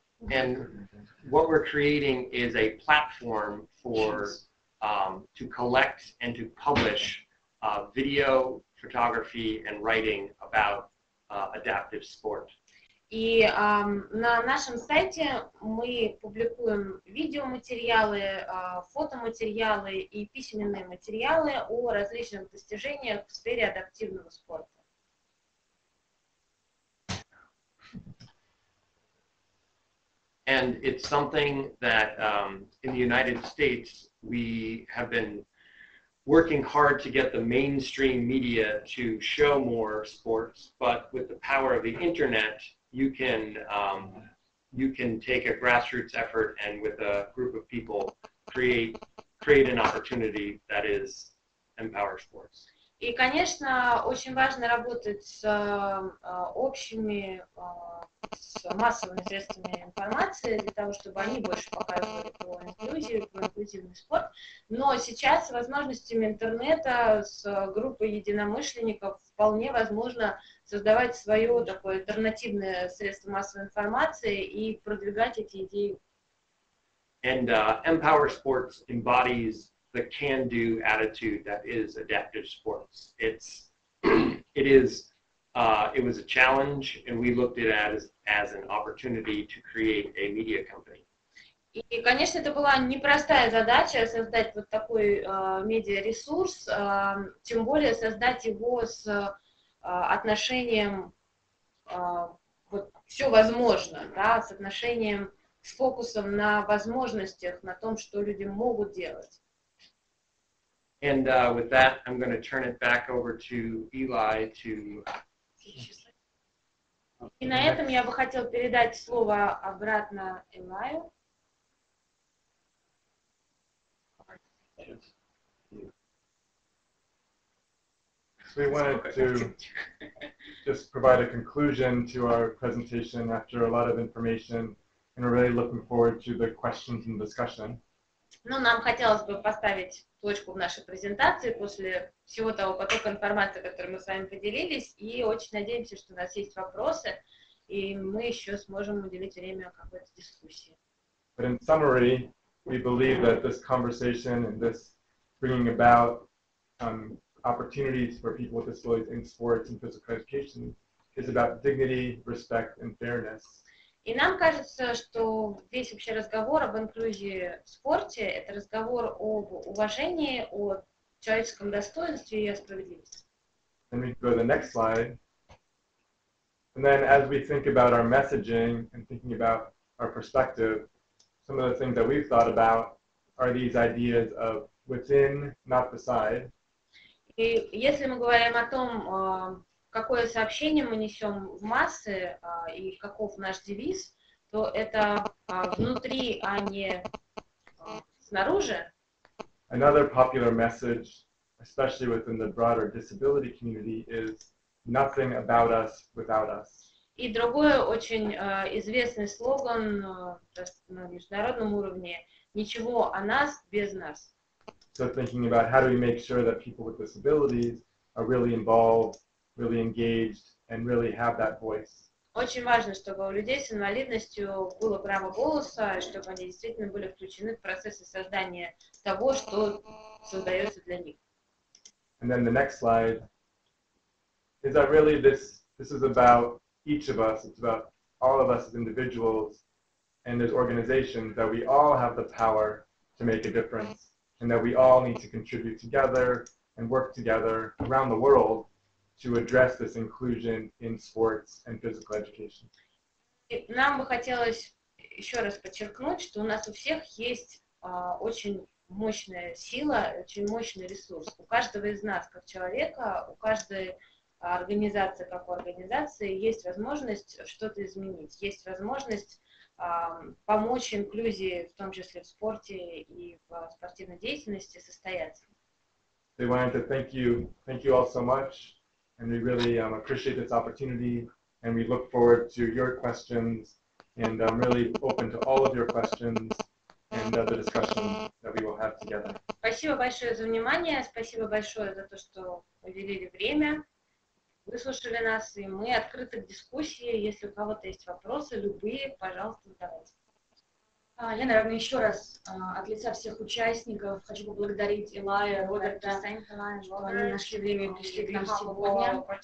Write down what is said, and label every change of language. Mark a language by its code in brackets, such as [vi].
[en] And what we're creating is a platform for to collect and to publish video, photography, and writing about adaptive sport. [ru] И на нашем сайте мы публикуем видеоматериалы, фотоматериалы и письменные материалы о различных достижениях в сфере адаптивного спорта. [en] And it's something that in the United States we have been working hard to get the mainstream media to show more sports. But with the power of the internet, you can take a grassroots effort and with a group of people create an opportunity that is empower sports. [ru] И, конечно, очень важно работать с общими, с массовыми средствами информации для того, чтобы они больше показывали про инклюзию, про инклюзивный спорт. Но сейчас с возможностями интернета, с группой единомышленников вполне возможно создавать свое такое альтернативное средство массовой информации и продвигать эти идеи. [en] And Empower Sports embodies the can-do attitude that is adaptive sports. It was a challenge, and we looked at it as an opportunity to create a media company. [ru] И, конечно, это была непростая задача создать вот такой медиа-ресурс, тем более создать его с отношением вот все возможно, да, с отношением, с фокусом на возможностях, на том, что люди могут делать. [en] And with that, I'm going to turn it back over to Илай to... [ru] И на этом я бы хотел передать слово обратно Илаю. [en] So we wanted to just provide a conclusion to our presentation after a lot of information, and we're really looking forward to the questions and discussion. [ru] Ну, нам хотелось бы поставить точку в нашей презентации после всего того потока информации, которым мы с вами поделились, и очень надеемся, что у нас есть вопросы, и мы еще сможем уделить время какой-то дискуссии. [en] But in summary, we believe that this conversation and this bringing about opportunities for people with disabilities in sports and physical education is about dignity, respect, and fairness. [ru] И нам кажется, что весь вообще разговор об инклюзии в спорте – это разговор об уважении, о человеческом достоинстве и о справедливости. [en] And we go to the next slide. And then as we think about our messaging and thinking about our perspective, some of the things that we've thought about are these ideas of within, not beside. [ru] И если мы говорим о том, какое сообщение мы несем в массы и каков наш девиз, то это внутри, а не снаружи. [en] Another popular message, especially within the broader disability community, is nothing about us without us. [ru] И другой очень известный слоган на международном уровне – ничего о нас без нас. [en] So thinking about how do we make sure that people with disabilities are really involved, really engaged, and really have that voice. [ru] Очень важно, чтобы у людей с инвалидностью было право голоса, чтобы они действительно были включены в процессы создания того, что создается для них. [en] And then the next slide is that really this is about each of us. It's about all of us as individuals and as organizations that we all have the power to make a difference and that we all need to contribute together and work together around the world to address this inclusion in sports and physical education. [ru] Нам бы хотелось еще раз подчеркнуть, что у нас у всех есть очень мощная сила, очень мощный ресурс. У каждого из нас, как человека, у каждой организации, как у организации, есть возможность что-то изменить, есть возможность помочь инклюзии, в том числе в спорте и в спортивной деятельности, состояться. [en] They wanted to thank you all so much. And we really appreciate this opportunity, and we look forward to your questions, and I'm really open to all of your questions, and the discussion that we will have together. [ru] Спасибо большое за внимание, спасибо большое за то, что уделили время, выслушали нас, и мы открыты к дискуссии. Если у кого-то есть вопросы, любые, пожалуйста, задавайте. Я, наверное, еще раз от лица всех участников хочу поблагодарить Илая, Роберта, что они нашли время и пришли к нам сегодня.